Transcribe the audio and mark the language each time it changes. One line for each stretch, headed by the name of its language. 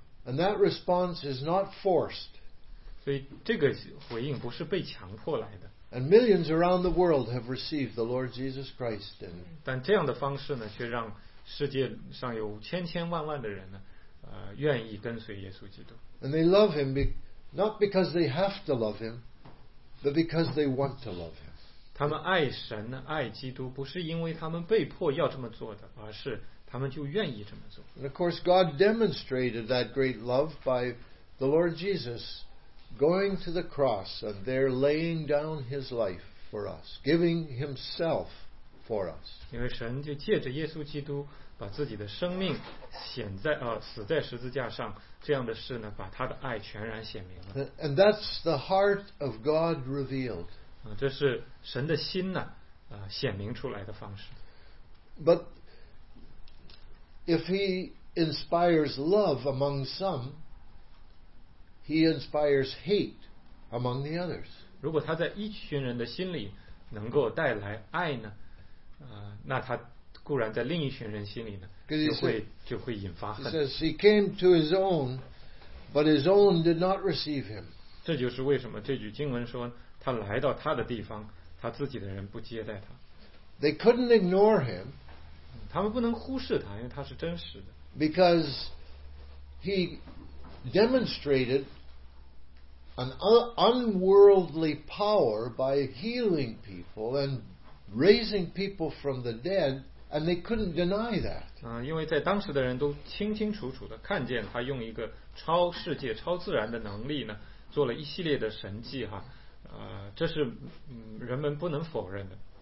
English: And that response is not forced.
Chinese: 所以这个回应不是被强迫来的。
English: And millions around the world have received the Lord Jesus Christ.
Chinese: 但这样的方式呢，却让世界上有千千万万的人呢，愿意跟随耶稣基督。
English: And they love him not because they have to love him, but because they want to love him.
Chinese: 他们爱神、爱基督，不是因为他们被迫要这么做的，而是他们就愿意这么做。
English: And of course, God demonstrated that great love by the Lord Jesus going to the cross and there laying down His life for us, giving Himself. For us.
Chinese: 因为神就借着耶稣基督把自己的生命显在死在十字架上，这样的事呢，把他的爱全然显明了。
English: And that's the heart of God revealed.
Chinese: 这是神的心呢，显明出来的方式。
English: But if He inspires love among some, He inspires hate among the others.
Chinese: 如果他在一群人的心里能够带来爱呢？那他固然在另一群人心里呢，就会引发恨。
English: He says he came to his own, but his own did not receive him.
Chinese: 这就是为什么这句经文说他来到他的地方，他自己的人不接待他。
English: They couldn't ignore him.
Chinese: 他们不能忽视他，因为他是真实的。
English: Because he demonstrated an unworldly power by healing people and raising people from the dead, and they couldn't deny that.
Chinese: 因为在当时的人都清清楚楚的看见他用一个超世界、超自然的能力呢，做了一系列的神迹哈，这是人们不能否认的。